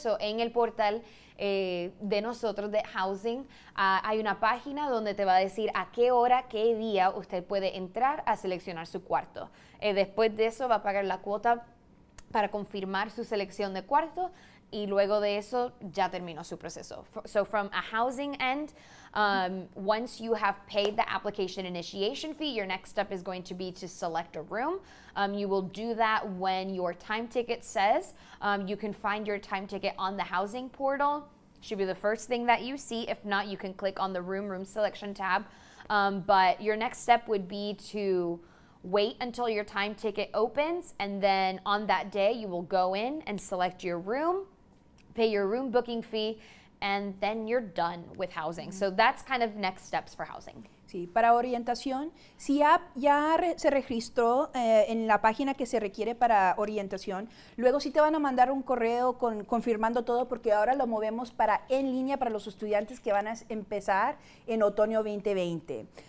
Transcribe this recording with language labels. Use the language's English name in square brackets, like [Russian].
[Spanish] So, en el portal de nosotros, de Housing, hay una página donde te va a decir a qué hora, qué día usted puede entrar a seleccionar su cuarto. Después de eso, va a pagar la cuota para confirmar su selección de cuarto y luego de eso, ya terminó su proceso. [English] So, from a housing end, once you have paid the application initiation fee, your next step is going to be to select a room. You will do that when your time ticket says. You can find your time ticket on the housing portal. Should be the first thing that you see. If not, you can click on the room selection tab. But your next step would be to wait until your time ticket opens, and then on that day, you will go in and select your room, pay your room booking fee, and then you're done with housing. So that's kind of next steps for housing. [Spanish] Sí, Sí, para orientación, si ya se registró en la página que se requiere para orientación, luego sí te van a mandar un correo confirmando todo, porque ahora lo movemos para en línea para los estudiantes que van a empezar en otoño 2020.